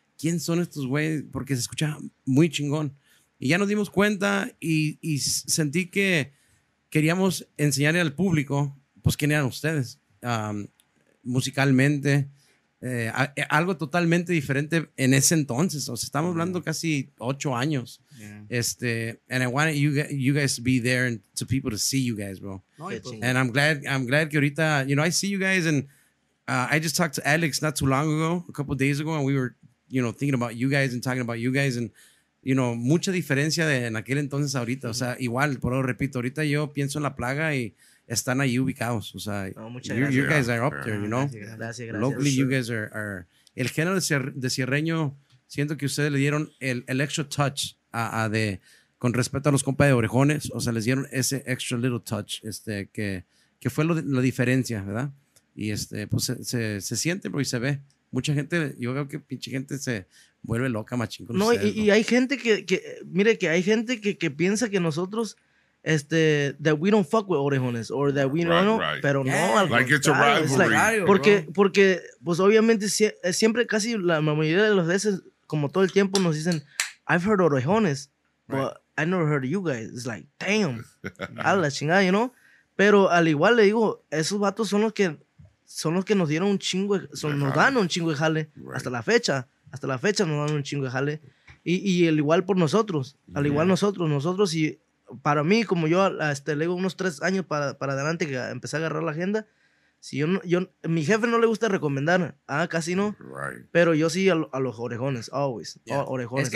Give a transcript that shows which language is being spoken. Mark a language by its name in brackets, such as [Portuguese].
[Spanish] ¿Quién son estos güey? Porque se escuchaba muy chingón. Y ya nos dimos cuenta y sentí que queríamos enseñarle al público, pues, quién eran ustedes musicalmente. Algo totalmente diferente en ese entonces, o sea, estamos hablando casi 8 años. [English] Yeah. And I wanted you guys to be there and to people to see you guys, bro. And I'm glad que ahorita, you know, I see you guys, and I just talked to Alex not too long ago, a couple of days ago, and we were, you know, thinking about you guys and talking about you guys, and you know, [Spanish] mucha diferencia de en aquel entonces ahorita. Mm-hmm. O sea, igual, por lo repito, ahorita yo pienso en la plaga y están ahí ubicados, o sea, [English] you guys are up there, you know. [Spanish] Gracias. [English] Locally, you guys are [Spanish] el género de sierreño, siento que ustedes le dieron el extra touch con respeto a los compas de Orejones, o sea, les dieron ese extra little touch, que fue la diferencia, ¿verdad? Y pues se siente, bro, y se ve. Mucha gente, yo veo que pinche gente se vuelve loca, machín, con ustedes, y hay gente que mire, que hay gente que piensa que nosotros [English] that we don't fuck with orejones or that we don't know, pero no, like it's a rivalry. It's like, [Spanish] porque, porque, pues obviamente siempre, casi la mayoría de las veces, como todo el tiempo nos dicen, [English] I've heard orejones, but I never heard of you guys. It's like, damn, [Spanish] a la chingada, [English] you know? [Spanish] Pero al igual le digo, esos vatos son los que nos dieron un chingo, son, nos dan un chingo de jale hasta la fecha nos dan un chingo de jale. Y al igual por nosotros, al igual nosotros, nosotros y para mí, como yo le digo unos 3 años para adelante que empecé a agarrar la agenda, si yo, yo, mi jefe no le gusta recomendar, ah, casi no, pero yo sí a los orejones, always, orejones.